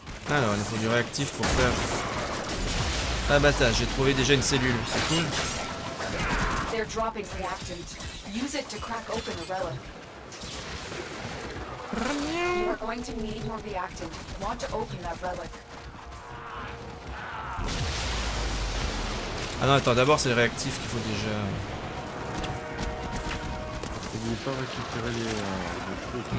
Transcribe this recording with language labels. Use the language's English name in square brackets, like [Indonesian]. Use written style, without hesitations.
[French] Alors, il faut du réactif pour faire. Ah bah ça, j'ai trouvé déjà une cellule, c'est cool. [English] They're dropping reactant. Use it to crack open a relic. You are going to need more reactant. Want to open that relic. [French] Ah non, attends, d'abord c'est le réactif qu'il faut déjà. N'oubliez pas récupérer les trucs.